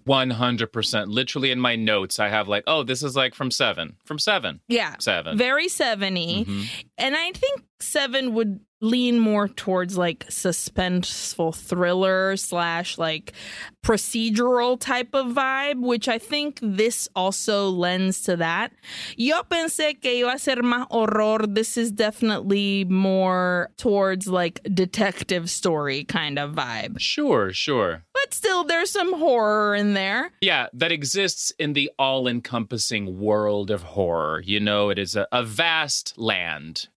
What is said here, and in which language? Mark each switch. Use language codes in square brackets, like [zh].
[en] 100%. Literally in my notes, I have like, oh, this is like from Seven. From Seven. Yeah. Seven. Very Seven-y. Mm-hmm. And I think Seven would lean more towards like suspenseful thriller / like procedural type of vibe, which I think this also lends to that. [es] Yo pensé que iba a ser más horror. [en] This is definitely more towards like detective story. Kind of vibe. Sure, sure. But still, there's some horror in there. Yeah, that exists in the all-encompassing world of horror. You know, it is a vast land.